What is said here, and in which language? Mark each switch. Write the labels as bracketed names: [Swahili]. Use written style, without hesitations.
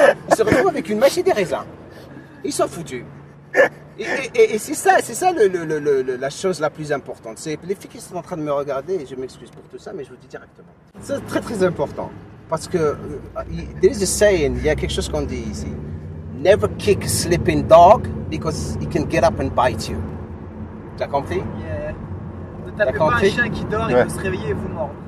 [French] Ils se retrouvent avec une mèche et des raisins. Ils sont foutus. Et c'est ça la chose la plus importante. C'est les filles qui sont en train de me regarder, et je m'excuse pour tout ça, mais je vous dis directement. C'est très très important. Parce que, [English] there is a saying, [French] il y a quelque chose qu'on dit ici. [English] Never kick a sleeping dog because he can get up and bite you. [French] T'as compris? [English] Yeah. The dog [French] taper pas un chien qui dort et peut se réveiller et vous mordre.